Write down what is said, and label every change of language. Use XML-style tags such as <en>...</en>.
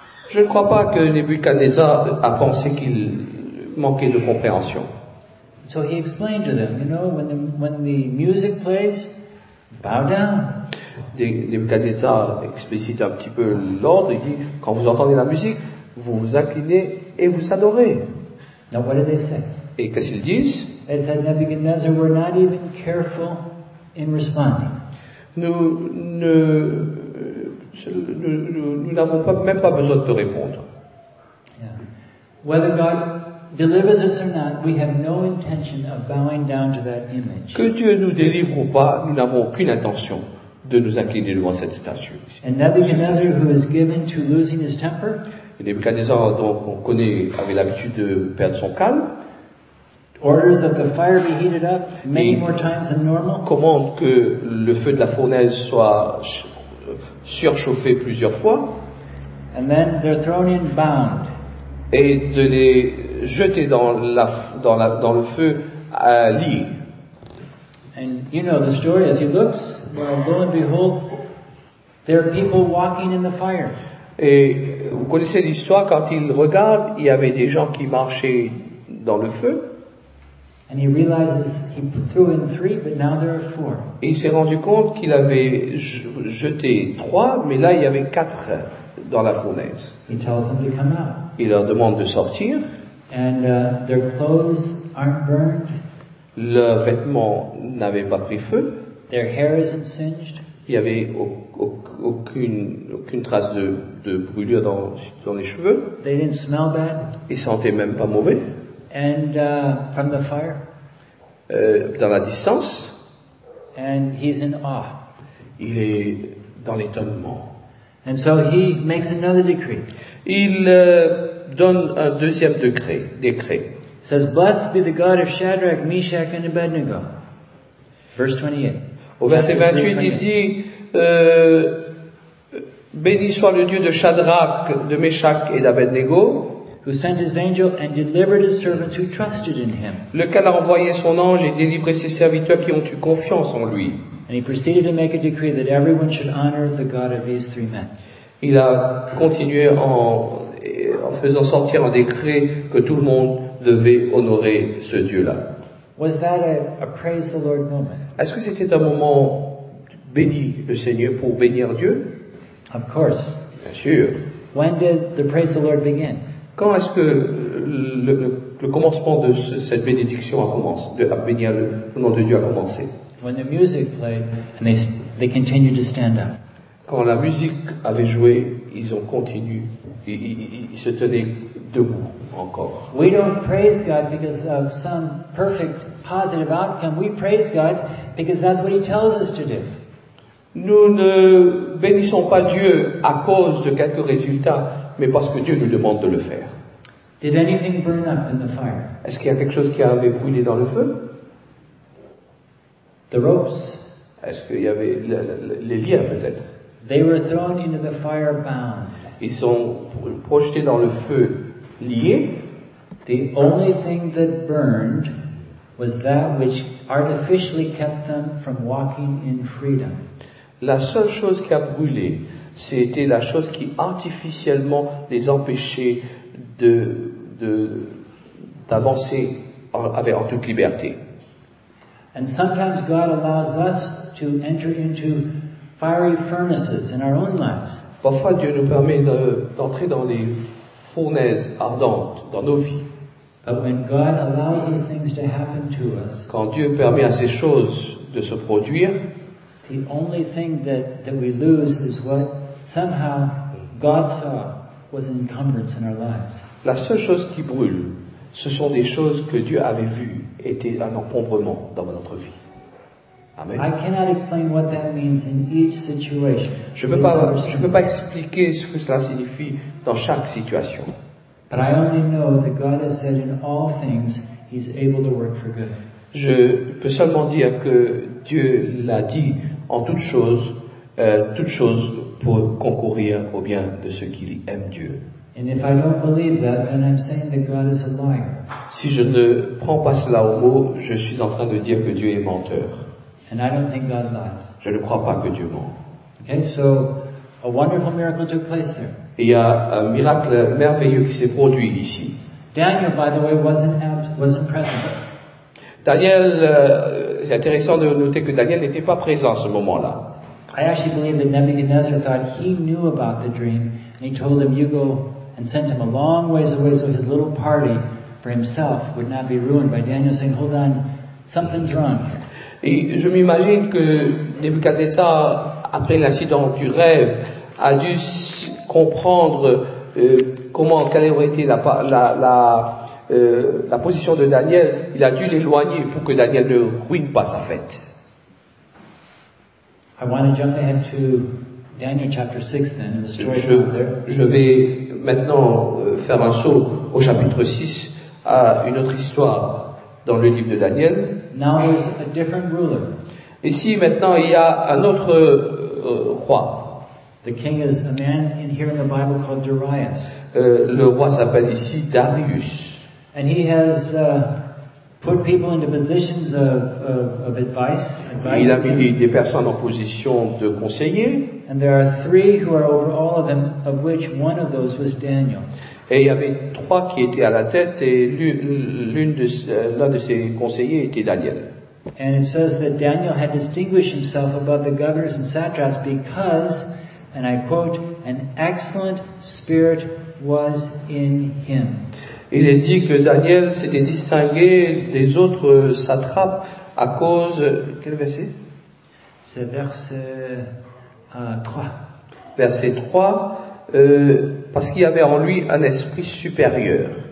<fr>Je ne crois pas que Nebuchadnezzar a pensé qu'il manquait de compréhension.</fr> <en>So he explained to them, you know, when the music plays, bow down.</en> <fr>Nebuchadnezzar explicite un petit peu l'ordre. Il dit, quand vous entendez la musique, vous vous inclinez et vous adorez.</fr> <en>Now what did they say?</en> <fr>Et qu'est-ce qu'ils disent?</fr> <en>They said Nebuchadnezzar, we're not even careful in responding.</en> <fr>Nous n'avons même pas besoin de te répondre.</fr> <en>Yeah. Whether God delivers us or not, we have no intention of bowing down to that image.</en> <fr>Que Dieu nous délivre ou pas, nous n'avons aucune intention de nous incliner devant cette statue.</fr> <en>And Nebuchadnezzar, who is given to losing his temper,</en> <fr>et Nebuchadnezzar, donc on connaît, avait l'habitude de perdre son calme.</fr> <en>Orders that the fire be heated up many more times than normal.</en> <fr>Commande que le feu de la fournaise soit surchauffé plusieurs fois.</fr> <en>And then they're thrown in bound.</en> <fr>Et de les jeter dans le feu à lit.</fr> <en>And you know the story as he looks. Well, lo and behold, there are people walking in the fire.</en> <fr>Et vous connaissez l'histoire quand il regarde, il y avait des gens qui marchaient dans le feu.</fr> <en>And he realizes he threw in three, but now there are four.</en> <fr>Et il s'est rendu compte qu'il avait jeté trois, mais là il y avait quatre dans la fournaise.</fr> <en>He tells them to come out.</en> <fr>Il leur demande de sortir.</fr> <en>And their clothes aren't burned.</en> <fr>Leurs vêtements n'avaient pas pris feu.</fr> <en>Their hair isn't singed.</en> <fr>Il n'y avait aucune trace de brûlure dans les cheveux.</fr> <en>They didn't smell bad.</en> <fr>Ils ne sentaient même pas mauvais.</fr> <en>And from the fire.</en> <fr>Dans la distance.</fr> <en>And he's in awe.</en> <fr>Il est dans l'étonnement.</fr> <en>And so he makes another decree.</en> <fr>Il donne un deuxième décret.</fr> <en>It says, "Blessed be the God of Shadrach, Meshach, and Abednego." Verse 28.</en> <fr>Au verset 28, il dit, béni soit le Dieu de Shadrach, de Meshach et d'Abednego.</fr> <en>Who sent his angel and delivered his servants who trusted in him.</en> <fr>Lequel a envoyé son ange et délivré ses serviteurs qui ont eu confiance en lui.</fr> <en>And he proceeded to make a decree that everyone should honor the God of these three men.</en> <fr>Il a continué en faisant sortir un décret que tout le monde devait honorer ce Dieu-là.</fr> <en>Was that a praise the Lord moment?</en> <fr>Est-ce que c'était un moment béni le Seigneur pour bénir Dieu?</fr> <en>Of course.</en> <fr>Bien sûr.</fr> <en>When did the praise the Lord begin?</en> <fr>Quand est-ce que le commencement de cette bénédiction a commencé, de bénir le nom de Dieu a commencé?</fr> <en>When the music played and they continued to stand up.</en> <fr>quand la musique avait joué, ils ont continué et ils se tenaient debout encore.</fr> <en>We don't praise God because of some perfect positive outcome. We praise God because that's what He tells us to do.</en> <fr>Nous ne bénissons pas Dieu à cause de quelques résultats, mais parce que Dieu nous demande de le faire.</fr> <en>Did anything burn up in the fire?</en> <fr>Est-ce qu'il y a quelque chose qui avait brûlé dans le feu?</fr> <en>The ropes.</en> <fr>Est-ce qu'il y avait les liens peut-être?</fr> <en>They were thrown into the fire bound.</en> <fr>Ils sont projetés dans le feu liés.</fr> <en>The only thing that burned was that which artificially kept them from walking in freedom.</en> <fr>La seule chose qui a brûlé, c'était la chose qui artificiellement les empêchait d'avancer en toute liberté.</fr> <en>And sometimes God allows us to enter into fiery furnaces in our own lives.</en> <fr>Parfois Dieu nous permet d'entrer dans les fournaises ardentes dans nos vies.</fr> <en>But when God allows these things to happen to us,</en> <fr>quand Dieu permet à ces choses de se produire,</fr> <en>the only thing that we lose is what somehow God saw was an encumbrance in our lives.</en> <fr>La seule chose qui brûle, ce sont des choses que Dieu avait vues, étaient un encombrement dans notre vie.</fr> <en>Amen. I cannot explain what that means in each situation.</en> <fr>Je ne peux pas expliquer ce que cela signifie dans chaque situation.</fr> <en>But I only know that God has said in all things He's able to work for good.</en> <fr>Je peux seulement dire que Dieu l'a dit en toutes choses pour concourir au bien de ceux qui aiment Dieu.</fr> <en>And if I don't believe that, then I'm saying that God is a liar.</en> <fr>Si je ne prends pas cela au mot, je suis en train de dire que Dieu est menteur.</fr> <en>And I don't think God lies.</en> <fr>Je ne crois pas que Dieu ment.</fr> <en>Okay, so a wonderful miracle took place there.</en> <fr>Il y a un miracle merveilleux qui s'est produit ici.</fr> <en>Daniel, by the way, wasn't present.</en> <fr>Daniel, c'est intéressant de noter que Daniel n'était pas présent à ce moment-là.</fr> <en>I actually believe that Nebuchadnezzar thought he knew about the dream. And he told him, you go and send him a long ways away so his little party for himself would not be ruined by Daniel saying, hold on, something's wrong.</en> <fr>Et je m'imagine que Nebuchadnezzar, après l'incident du rêve, a dû comprendre quelle aurait été la position de Daniel. Il a dû l'éloigner pour que Daniel ne ruine pas sa fête.</fr> <en>I want to jump ahead to Daniel chapter 6 then, the story of there.</en> <fr>Je vais maintenant faire un saut au chapitre 6 à une autre histoire dans le livre de Daniel.</fr> <en>Now there's a different ruler.</en> <fr>Ici maintenant il y a un autre roi.</fr> <en>The king is a man in here in the Bible called Darius.</en> <fr>Le roi s'appelle ici Darius.</fr> <en>And he has put people into positions of advice.</en> <fr>Il a mis des personnes en position de conseiller.</fr> <en>And there are three who are over all of them, of which one of those was Daniel.</en> <fr>Et il y avait trois qui étaient à la tête, et l'un de ses conseillers était Daniel.</fr> <en>And it says that Daniel had distinguished himself above the governors and satraps because, and I quote, an excellent spirit was in him.</en> <fr>Il est dit que Daniel s'était distingué des autres satrapes à cause. Quel verset? C'est verset 3. Verset 3, parce qu'il y avait en lui un esprit supérieur.</fr>